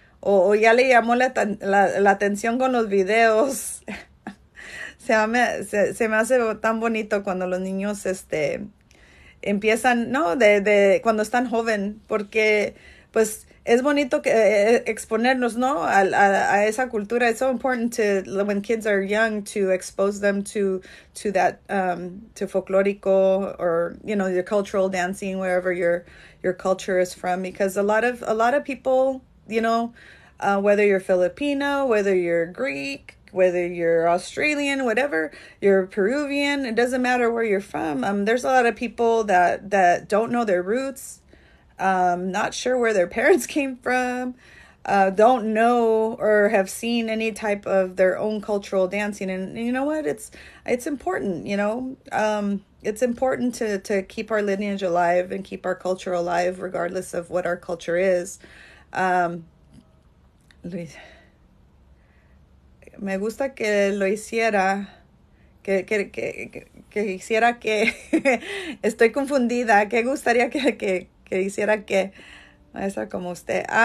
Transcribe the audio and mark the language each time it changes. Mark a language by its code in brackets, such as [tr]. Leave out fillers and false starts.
[es] ¿O ya le llamó la atención con los videos? Se me hace tan bonito cuando los niños empiezan, ¿no? De cuando están joven, porque pues es bonito exponernos, ¿no? A esa cultura. [en] It's so important when kids are young to expose them to that to folklorico or your cultural dancing wherever your culture is from, because a lot of people, whether you're Filipino, whether you're Greek, whether you're Australian, whatever, you're Peruvian, it doesn't matter where you're from. There's a lot of people that don't know their roots, not sure where their parents came from, don't know or have seen any type of their own cultural dancing. And you know what? It's important, it's important to keep our lineage alive and keep our culture alive, regardless of what our culture is. [es] Luis. Me gusta que lo hiciera, que hiciera que. Estoy confundida. ¿Qué gustaría que hiciera que? Maestra como usted.